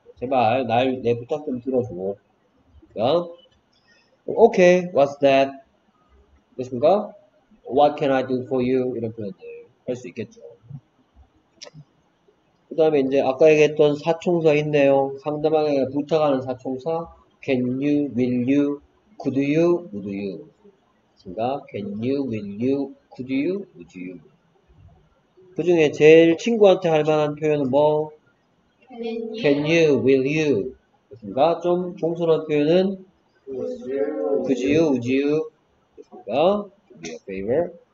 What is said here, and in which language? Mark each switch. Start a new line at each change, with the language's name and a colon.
Korean: 제발 날 내 부탁 좀 들어줘. 야.
English: Okay, what's that?
Korean: 됐습니까?
English: What can I do for you?
Korean: 이런 표현들 할 수 있겠죠. 그 다음에 이제 아까 얘기했던 사총사 있네요. 상대방에게 부탁하는 사총사.
English: Can you, will you, could you, would you.
Korean: 그니까,
English: can you, will you, could you, would you.
Korean: 그 중에 제일 친구한테 할 만한 표현은 뭐?
English: Can you, will you.
Korean: 그니까, 좀 종선한 표현은?
English: Could you, would you.
Korean: 그니까,
English: give me a favor.